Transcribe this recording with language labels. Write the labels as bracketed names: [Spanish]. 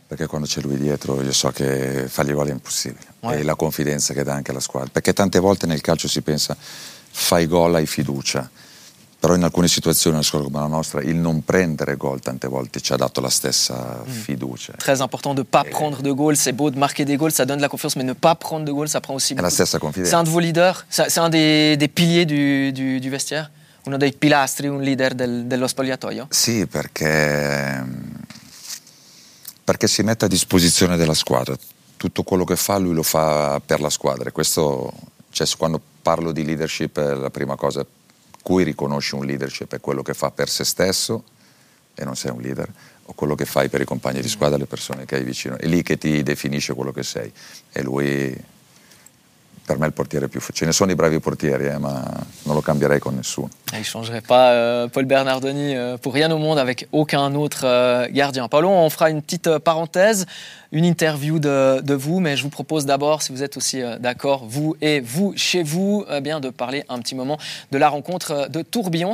[Italian] Perché quando c'è lui dietro, io so che fargli gol è impossibile. Ouais. E la confidenza che dà anche alla squadra. Perché tante volte nel calcio si pensa, fai gol, hai fiducia. Però in alcune situazioni, una squadra come la nostra, il non prendere gol tante volte ci ha dato la stessa fiducia. [French] Très important de pas prendre de gol, c'est beau de marquer des gols, ça donne de la confiance, mais ne pas prendre de gol, ça prend aussi beaucoup. [Italian] È la stessa confidenza. [French] C'est un de vos leaders, c'est un des piliers du vestiaire, [Italian] uno dei pilastri, un leader dello spogliatoio. Sì, perché si mette a disposizione della squadra. Tutto quello che fa, lui lo fa per la squadra. Questo, cioè, quando parlo di leadership, la prima cosa cui riconosci un leadership è quello che fa per se stesso e non sei un leader, o quello che fai per i compagni di squadra, le persone che hai vicino. È lì che ti definisce quello che sei. E lui, per me, è il portiere più... Ce ne sono i bravi portieri, ma non lo cambierei con nessuno. [French] Non changerai pas Paul Bernardoni pour rien au monde avec aucun autre gardien. Paolo, on fera une petite parenthèse, une interview de vous, mais je vous propose d'abord, si vous êtes aussi d'accord, vous et vous, chez vous, bien de parler un petit moment de la rencontre de Tourbillon.